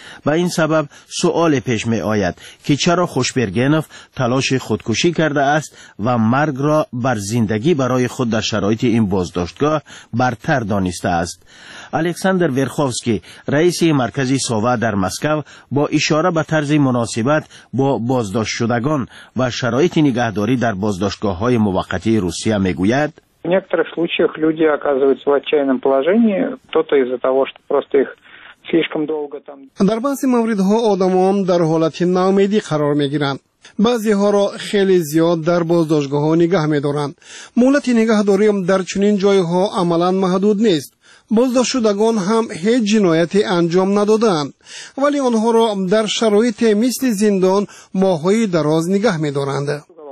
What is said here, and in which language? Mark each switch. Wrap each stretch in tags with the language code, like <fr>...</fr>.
<fa>به این سبب سؤال پیش می آید که چرا خوشبرگنف تلاش خودکشی کرده است و مرگ را بر زندگی برای خود در شرایط این بازداشتگاه برتر دانسته است. الکساندر ورخوفسکی رئیس مرکزی ساوا در مسکو با اشاره به طرز مناسبت با بازداشت شدگان و شرایط نگهداری در بازداشتگاه های موقتی روسیه می گوید</fa> <ru>в некоторых случаях люди оказываются в отчаянном положении, кто-то из-за того, что просто их слишком долго там.</ru> <fa>در بعضی مواردها آدمان در حالت ناامیدی قرار می گیرند. بعضی ها را خیلی زیاد در بازداشتگاه ها نگه می دارند. مهلت نگهداری در چنین جای ها عملا محدود نیست. بازداشت شدگان هم هیچ جنایتی انجام ندادند، ولی آنها را در شرایط مثل زندان ماهای دراز نگه می دارند.</fa>